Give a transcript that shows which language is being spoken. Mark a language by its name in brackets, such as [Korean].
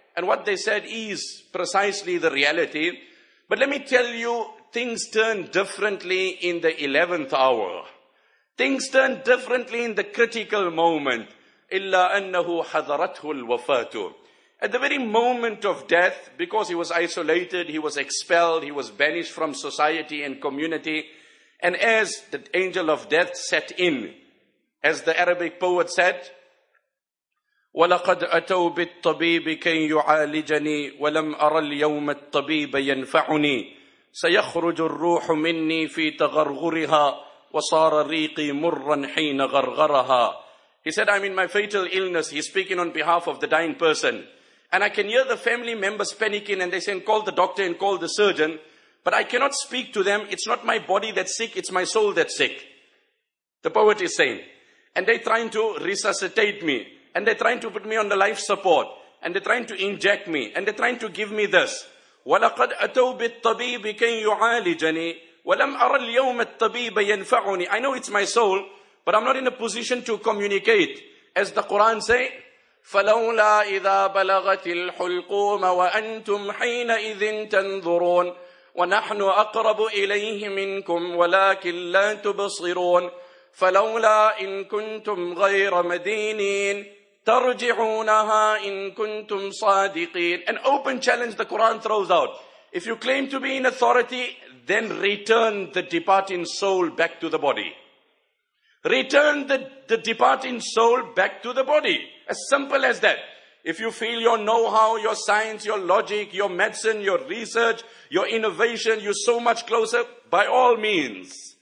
[English] And what they said is precisely the reality. But let me tell you, things turn differently in the 11th hour. Things turn differently in the critical moment. [Arabic] إِلَّا أَنَّهُ حَذَرَتْهُ الْوَفَاتُ. [English] At the very moment of death, because he was isolated, he was expelled, he was banished from society and community. And as the angel of death set in, as the Arabic poet said, [Arabic] وَلَقَدْ أَتَوْ بِالطَّبِيبِ كَيْ يُعَالِجَنِي وَلَمْ أَرَى الْيَوْمَ الطَّبِيبَ يَنْفَعُنِي سَيَخْرُجُ الرُّوحُ مِنِّي فِي تَغَرْغُرِهَا وَصَارَ رِيقِي مُرًّا حِينَ غَرْغَرَهَا. [English] He said, I'm in my fatal illness. He's speaking on behalf of the dying person. And I can hear the family members panicking and they say, call the doctor and call the surgeon. But I cannot speak to them. It's not my body that's sick, it's my soul that's sick. The poet is saying. And they're trying to resuscitate me. And they're trying to put me on the life support. And they're trying to inject me. And they're trying to give me this. [Arabic] وَلَقَدْ أَتَوْ بِالطَّبِيبِ كَيْ يُعَالِجَنِي وَلَمْ أَرَى الْيَوْمَ الطَّبِيبَ يَنْفَعُنِي. [English] I know it's my soul, but I'm not in a position to communicate. As the Quran say, [Arabic] فَلَوْلَا إِذَا بَلَغَتِ الْحُلْقُومَ وَأَنْتُمْ حِينَئِذٍ تَنْظُرُونَ وَنَحْنُ أَقْرَبُ إِلَيْهِ مِنْكُمْ وَلَكِنْ لَا تُبَصِرُونَ فَلَوْلَا إِن كُنْتُمْ غَيْرَ مَدِينِينَ تَرْجِعُونَهَا إِن كُنْتُمْ صَادِقِينَ. [English] An open challenge the Quran throws out. If you claim to be in authority, then return the departing soul back to the body. Return the departing soul back to the body. As simple as that. If you feel your know-how, your science, your logic, your medicine, your research, your innovation, you're so much closer, by all means.